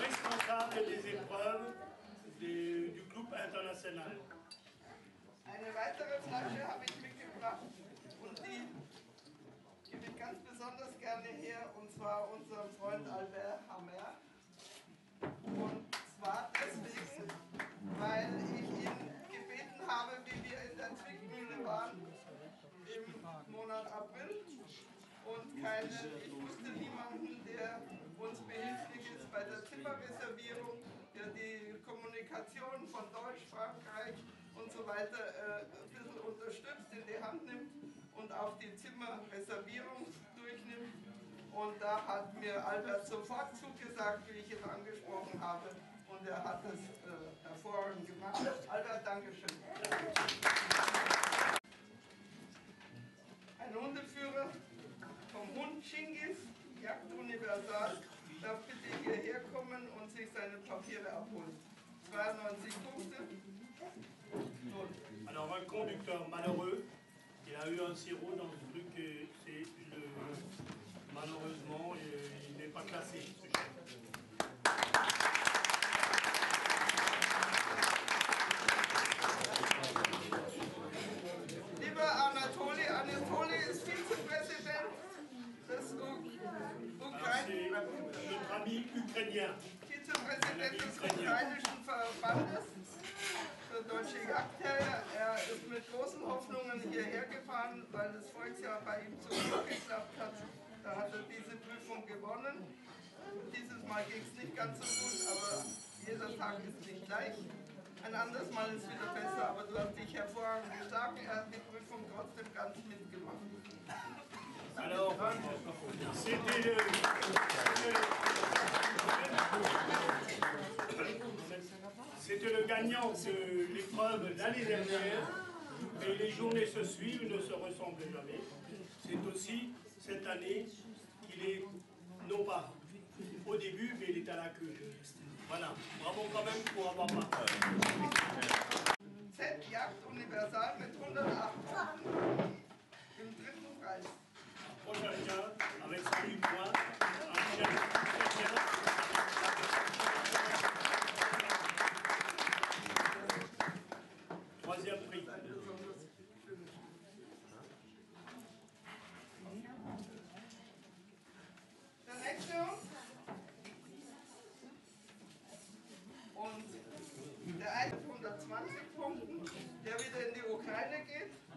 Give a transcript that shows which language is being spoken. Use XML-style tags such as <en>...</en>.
<fr>Responsable des épreuves du groupe international.</fr> <de>Eine weitere Flasche habe ich mitgebracht und die gebe ich ganz besonders gerne her, und zwar unserem Freund Albert Hammer. Und zwar deswegen, weil ich ihn gebeten habe, wie wir in der Zwickmühle waren im Monat April. Und ich wusste niemanden, der uns behilflich ist bei der Zimmerreservierung, der die Kommunikation von Deutsch, Frankreich und so weiter ein bisschen unterstützt, in die Hand nimmt und auch die Zimmerreservierung durchnimmt. Und da hat mir Albert sofort zugesagt, wie ich ihn angesprochen habe. Und er hat das hervorragend gemacht. Albert, Dankeschön. Ein Hundeführer vom Hund Chingis, Jagd Universal, darf bitte hierher kommen und sich seine Papiere abholen. 92 Punkte.</de> <fr>Alors, un conducteur malheureux, il a eu un sirop dans le truc et c'est le... malheureusement, il n'est pas classé.</fr> <de>Lieber Anatoli, Anatoli ist Vizepräsident des Ukrainischen.</de> <fr>Notre ami ukrainien.</fr> <de>Vizepräsident des ukrainischen Verbandes. Der deutsche Jagdherr, er ist mit großen Hoffnungen hierher gefahren, weil das Volksjahr bei ihm so gut geklappt hat. Da hat er diese Prüfung gewonnen. Dieses Mal ging es nicht ganz so gut, aber jeder Tag ist nicht gleich. Ein anderes Mal ist wieder besser, aber du hast dich hervorragend geschlagen. Er hat die Prüfung trotzdem ganz mitgemacht.</de> <fr>Hallo, c'était le gagnant de l'épreuve l'année dernière, et les journées se suivent, ne se ressemblent jamais. C'est aussi cette année qu'il est, non pas au début, mais il est à la queue. Voilà, bravo quand même pour avoir marqué. 7</fr> <de>Jagd Universal mit 108</de> <fr>points,</fr> <de>im dritten Preis.</de> <fr>Prochain gain, avec 108 points, un gain.</fr> <de>Der nächste Hund und der eine 120 Punkten, der wieder in die Ukraine geht.</de>